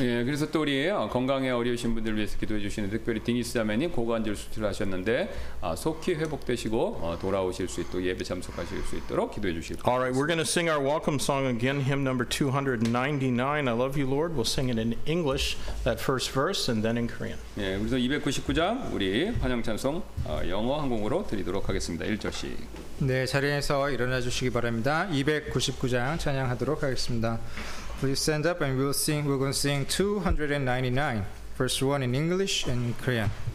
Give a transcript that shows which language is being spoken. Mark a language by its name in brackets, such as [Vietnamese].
[Korean] 예, 그래서 또 우리 건강에 어려우신 분들을 위해서 기도해 주시는 특별히 디니스 자매님 고관절 수술을 하셨는데 속히 회복되시고 돌아오실 수 있도록 예배 참석하실 수 있도록 기도해 주시기 바랍니다. [English] All right, we're going to sing our welcome song again, hymn number 299. I love you, Lord. We'll sing it in English, that first verse, and then in Korean. [Korean] 예, 그래서 299장 우리 환영 찬송 영어 한국어로 드리도록 하겠습니다. 1절씩. 네, 자리에서 일어나 주시기 바랍니다. 299장 찬양하도록 하겠습니다. [English] Please stand up and we're going to sing 299, first one in English and in Korean.